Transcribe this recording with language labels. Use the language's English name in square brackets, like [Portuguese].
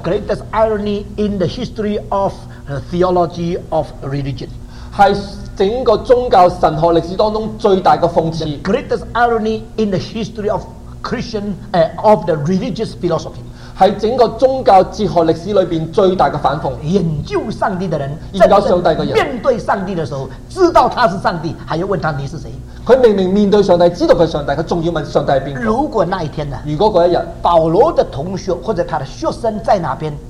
[English] The greatest irony in the history of theology of religion [Chinese] 是整个宗教神学历史当中最大的讽刺 [English] The greatest irony in the history of Christian of the religious philosophy [Chinese] 是整个宗教哲学历史里面最大的反讽研究上帝的人研究上帝的人面对上帝的时候知道他是上帝还要问他你是谁他明明面对上帝知道他是上帝他还要问上帝是谁如果那一天呢如果那一天保罗的同学或者他的学生在哪边